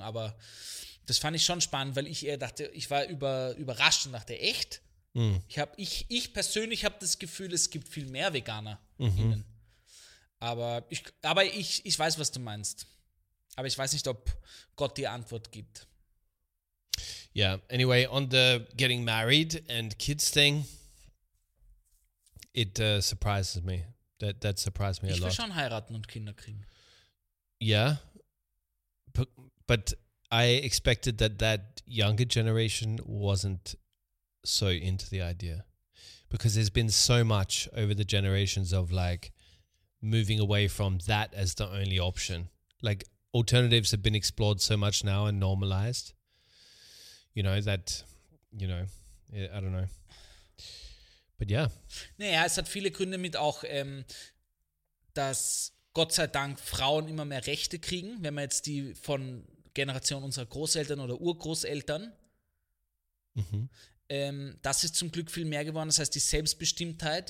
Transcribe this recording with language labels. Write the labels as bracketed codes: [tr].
[de] Aber das fand ich schon spannend, weil ich eher dachte, ich war überrascht und dachte, echt? Ich persönlich habe das Gefühl, es gibt viel mehr Veganer. Mhm. Innen. Aber ich weiß, was du meinst. Aber ich weiß nicht, ob Gott die Antwort gibt. [en] Yeah, anyway, on the getting married and kids thing, it surprises me. That surprised me [de] ich [en] a lot. [de] Ich will schon heiraten und Kinder kriegen. [en] Yeah, but I expected that younger generation wasn't so into the idea, because there's been so much over the generations of like moving away from that as the only option. Like alternatives have been explored so much now and normalized, you know, that, you know, I don't know, but yeah. [de] Naja, es hat viele Gründe mit auch, dass Gott sei Dank Frauen immer mehr Rechte kriegen, wenn man jetzt die von Generation unserer Großeltern oder Urgroßeltern. Mhm. Das ist zum Glück viel mehr geworden. Das heißt, die Selbstbestimmtheit.